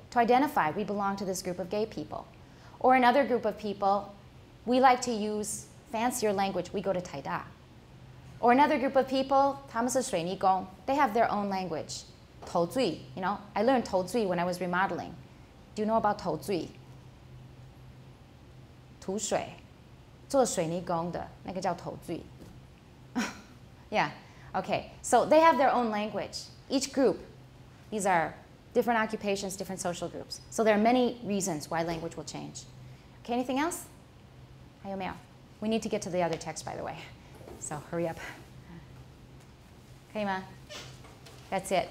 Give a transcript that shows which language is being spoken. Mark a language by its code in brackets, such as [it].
[en] To identify, we belong to this group of gay people. Or another group of people, we like to use fancier language, we go to Taida. Or another group of people, [zh] 他们是水泥工, [en] they have their own language. 投水, you know, I learned 投水 when I was remodeling. Do you know about 投水? [zh] 土水, 做水泥工的,那个叫投水. [en] Yeah, okay, so they have their own language. Each group, these are different occupations, different social groups. So there are many reasons why language will change. Okay, anything else? [zh] 还有没有? [en] We need to get to the other text, by the way. So hurry up. [zh] 可以吗? [en] That's it.